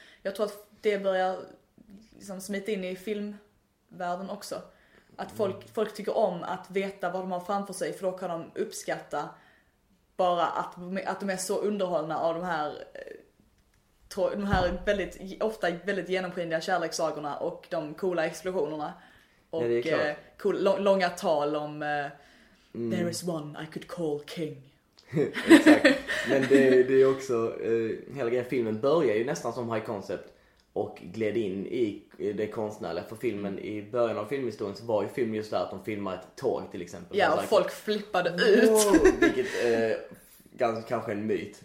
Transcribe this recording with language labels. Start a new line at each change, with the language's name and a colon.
Swedish: Jag tror att det börjar liksom smita in i filmvärlden också. Att folk tycker om att veta vad de har framför sig, för då kan de uppskatta bara att de är så underhållna av de här väldigt, ofta väldigt genomskinliga kärlekssagorna och de coola explosionerna. Och nej,
English: cool,
Swedish: långa tal om
English: there is one I could call king.
Swedish: Exakt. Men det är också hela grejen. Filmen börjar ju nästan som high concept och gled in i det konstnärliga. För filmen, i början av filmhistorien, så var ju film just där att de filmade ett tåg till exempel. Ja, och folk flippade ut. Vilket kanske en myt.